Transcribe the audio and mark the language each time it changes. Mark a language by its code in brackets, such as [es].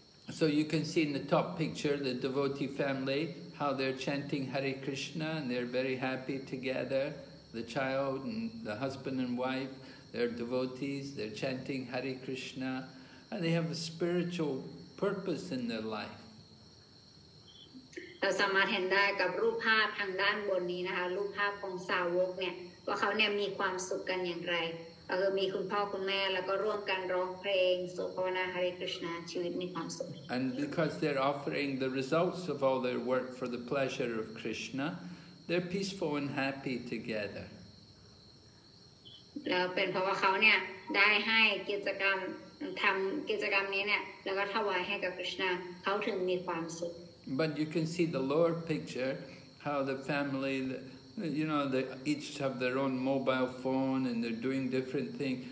[en] So you can see in the top picture the devotee family how they're chanting Hare Krishna and they're very happy together the child and the husband and wife they're devotees they're chanting Hare Krishna and they have a spiritual purpose in their life [th] เราสามารถเห็นได้กับรูปภาพทางด้านบนนี้นะคะรูปภาพของสาวกเนี่ยว่าเขาเนี่ยมีความสุขกันอย่างไรมีคุณพ่อคุณแม่แล้วก็ร่วมกันร้องเพลงสวดภาวนาฮาริคริชนาชีวิตมีความสุข [en] And because they're offering the results of all their work for the pleasure of Krishna they're peaceful and happy together [th] แล้วเป็นเพราะว่าเขาเนี่ยได้ให้กิจกรรมทำกิจกรรมนี้เนี่ยแล้วก็ถวายให้กับคริชนาเขาถึงมีความสุข [en] But you can see the lower picture, how the family, you know, they each have their own mobile phone and they're doing different things.